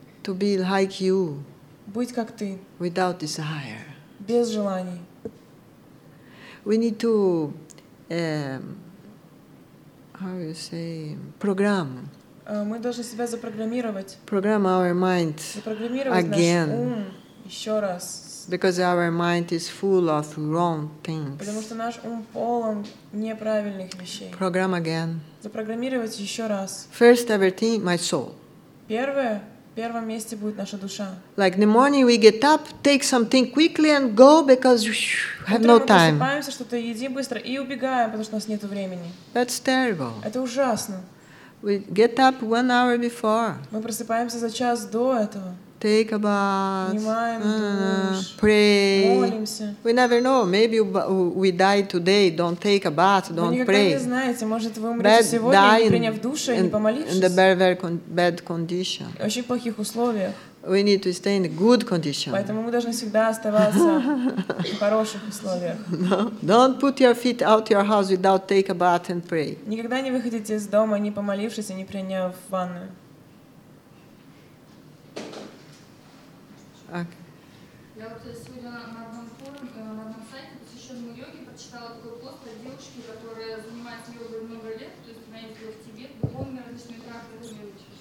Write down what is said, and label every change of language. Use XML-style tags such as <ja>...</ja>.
<en>To be like you.</en> <ru>Будь как ты.</ru> <en>Without desire.</en> <ru>Без желаний.</ru> <en>We need to, how you say, program.</en> <ru>мы должны себя запрограммировать.</ru> <en>Program our mind again.</en> <ru>Еще раз.</ru> <en>Because our mind is full of wrong things.</en> <ru>Потому что наш ум полон неправильных вещей.</ru> <en>Program again.</en> <ru>Запрограммировать еще раз.</ru> <en>First everything, my soul.</en> <ru>Первое, в первом месте будет наша душа.</ru> <en>Like the morning we get up, take something quickly and go because we have no time.</en> <ru>Мы просыпаемся, что-то едим быстро и убегаем, потому что у нас нет времени.</ru> <en>That's terrible.</en> <ru>Это ужасно.</ru> <en>We get up 1 hour before.</en> <ru>Мы просыпаемся за час до этого.</ru> <en>Take a bath, pray. We never know. Maybe we die today. Don't take a bath. Don't pray.</en> <ru>Вы никогда не знаете. Может, вы умрете сегодня, не приняв душа и не помолившись.</ru> <en>In the very bad condition.</en> <ru>В очень плохих условиях.</ru> <en>We need to stay in good condition.</en> <ru>Поэтому мы должны всегда оставаться в хороших условиях.</ru> <en>Don't put your feet out your house without take a bath and pray.</en> <ru>Никогда не выходите из дома, не помолившись и не приняв ванну.</ru> <en>Okay.</en> <ru>Я вот сегодня на одном форуме, на одном сайте, посвященном йоге, прочитала такой пост от девушки, которая занимается йогой много лет, то есть она ездила в Тибет, духовными различными практиками.</ru>